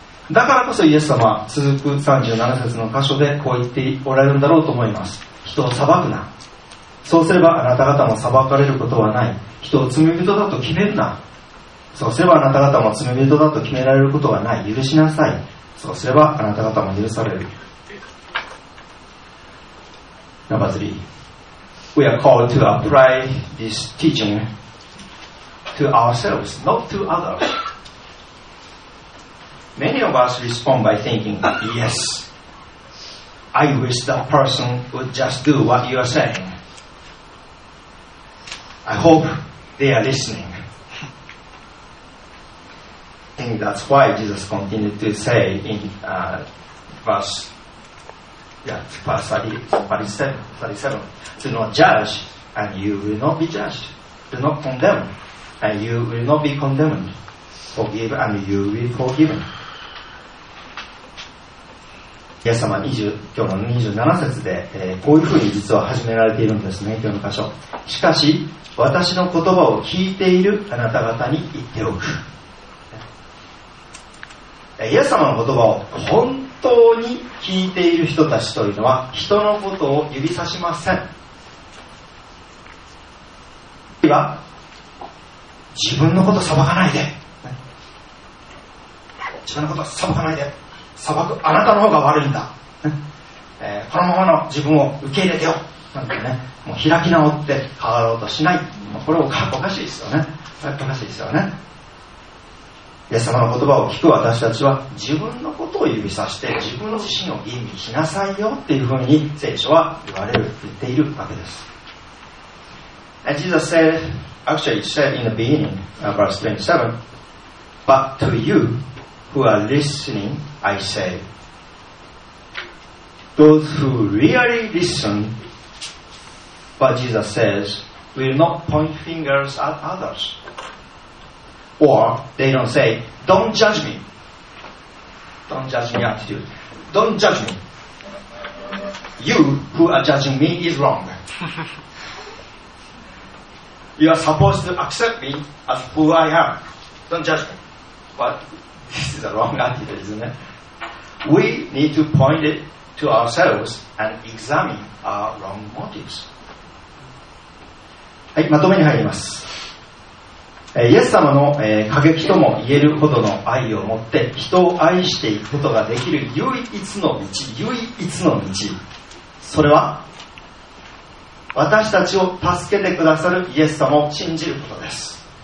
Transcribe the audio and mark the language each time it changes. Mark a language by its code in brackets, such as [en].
[ja] だからこそイエス様は続く37節の箇所でこう言っておられるんだろうと思います。人を裁くな。そうすればあなた方も裁かれることはない。人を罪人だと決めるな。そうすればあなた方も罪人だと決められることはない。許しなさい。そうすればあなた方も許される。 [en] Number three. We are called to apply this teaching to ourselves, not to others. Many of us respond by thinking, yes, I wish that person would just do what you are saying. I hope they are listening. I think that's why Jesus continued to say in verse verse 37. Do not judge and you will not be judged. Do not condemn and you will not be condemned. Forgive and you will be forgiven. [ja] イエス様今日の27節で、こういうふうに実は始められているんですね。今日の箇所、しかし私の言葉を聞いているあなた方に言っておく。イエス様の言葉を本当に聞いている人たちというのは人のことを指さしません。あるいは自分のこと裁かないで、自分のこと裁かないで、裁くあなたの方が悪いんだ、このままの自分を受け入れてよなんてね、もう開き直って変わろうとしない、これおかしいですよね。おかしいですよね。イエス様の言葉を聞く私たちは自分のことを指さして自分自身を吟味しなさいよっていうふうに聖書は言われる、言っているわけです。 [en] Jesus said, actually said in the beginning, verse 27, but to you who are listening,I say, those who really listen, what Jesus says, will not point fingers at others. Or they don't say, don't judge me. Don't judge me attitude. Don't judge me. You who are judging me is wrong. You are supposed to accept me as who I am. Don't judge me. But this is a wrong attitude, isn't it? We need to point it to ourselves and examine our wrong motives. [ja] はい、まとめに入ります。イエス様の、過激とも言えるほどの愛を持って人を愛していくことができる唯一の道、唯一の道。それは私たちを助けてくださるイエス様を信じることです。